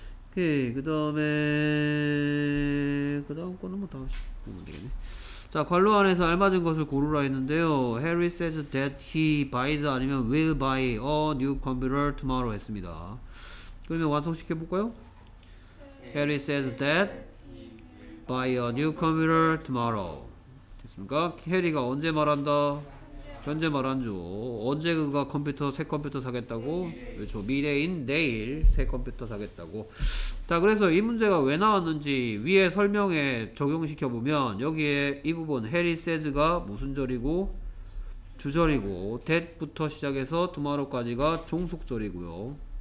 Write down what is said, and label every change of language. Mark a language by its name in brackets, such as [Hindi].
[Korean] 오케이, 그 다음에 그 다음 거는 뭐 다음 보면 되겠네. 자, 관로 안에서 알맞은 것을 고르라 했는데요. [English] Harry says that he buys [Korean] 아니면 [English] will buy a new computer tomorrow [Korean] 했습니다. 그러면 완성시켜 볼까요? [English] Harry says that buy a new computer tomorrow. [Korean] 됐습니까? 해리가 언제 말한다? 현재 말한죠. 언제 그가 컴퓨터, 새 컴퓨터 사겠다고? 그렇죠. 미래인 내일 새 컴퓨터 사겠다고. 자, 그래서 이 문제가 왜 나왔는지 위에 설명에 적용시켜 보면 여기에 이 부분 해리 세즈가 무슨 절이고 주절이고 that부터 시작해서 tomorrow까지가 종속절이고요.